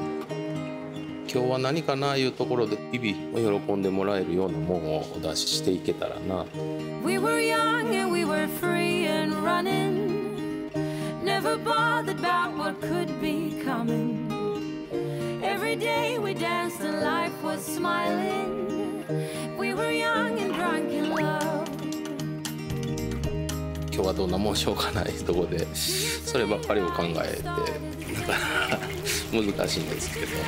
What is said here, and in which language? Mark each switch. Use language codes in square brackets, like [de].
[ja] 今日は何かないうところで日々喜んでもらえるようなものをお出ししていけたらな。 [en] We were young and we were free and running. Never bothered about what could be coming. Every day we danced and life was smiling. We were young and drunk in love. [ja] 今日はどんなもんしようかないうところでそればっかりを考えて、なかなか難しいんですけど。